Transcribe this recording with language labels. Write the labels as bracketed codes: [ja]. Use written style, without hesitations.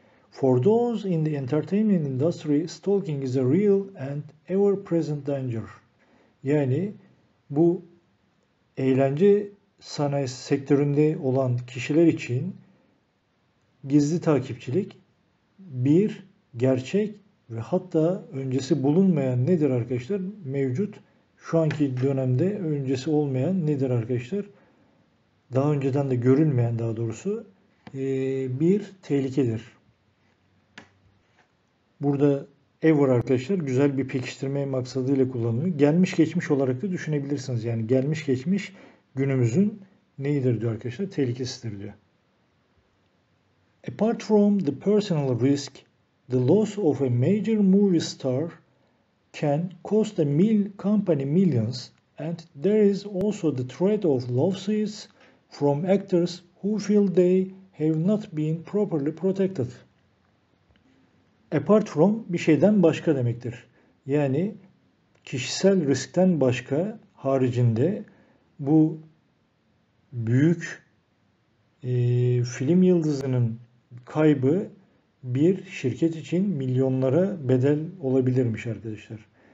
[en] For those in the entertainment industry, stalking is a real and ever-present danger. [tr] Yani bu eğlence sanayi sektöründe olan kişiler için gizli takipçilik bir gerçek ve hatta öncesi bulunmayan nedir arkadaşlar? Mevcut şu anki dönemde öncesi olmayan nedir arkadaşlar? Daha önceden de görülmeyen daha doğrusu bir tehlikedir. Burada ever arkadaşlar güzel bir pekiştirme maksadıyla kullanılıyor. Gelmiş geçmiş olarak da düşünebilirsiniz. Yani gelmiş geçmiş günümüzün neyidir diyor arkadaşlar? Tehlikesidir diyor. [en] Apart from the personal risk, the loss of a major movie star can cost a company millions and there is also the threat of lawsuits from actors who feel they have not been properly protected. [tr] Apart from bir şeyden başka demektir. Yani kişisel riskten başka haricinde bu büyük film yıldızının kaybı bir şirket için milyonlara bedel olabilirmiş arkadaşlar.